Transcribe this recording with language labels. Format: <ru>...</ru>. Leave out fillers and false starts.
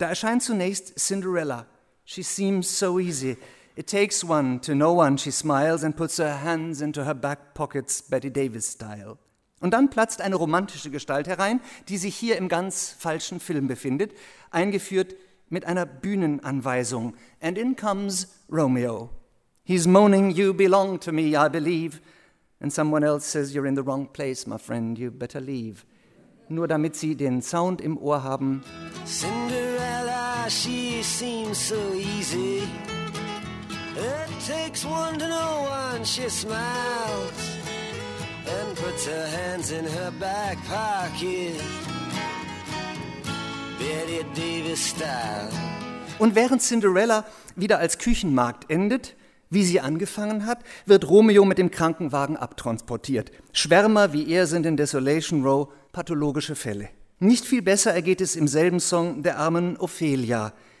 <de>Da erscheint zunächst</de> <en>Cinderella. She seems so easy. It takes one to know one. She smiles and puts her hands into her back pockets, Betty Davis style.</en> <de>Und dann platzt eine romantische Gestalt herein, die sich hier im ganz falschen Film befindet, eingeführt mit einer Bühnenanweisung.</de> <en>And in comes Romeo. He's moaning, you belong to me, I believe. And someone else says, you're in the wrong place, my friend, you better leave.</en> <de>Nur damit sie den Sound im Ohr haben.</de> <en>Cinderella, she seems so easy. It takes one to know one, she smiles. And puts her hands in her back pocket. Betty Davis style.</en> <de>Und während Cinderella wieder als Küchenmagd endet, wie sie angefangen hat, wird Romeo mit dem Krankenwagen abtransportiert. Schwärmer wie er sind in Desolation Row pathologische Fälle. Nicht viel besser ergeht es im selben Song der armen Ophelia.</de>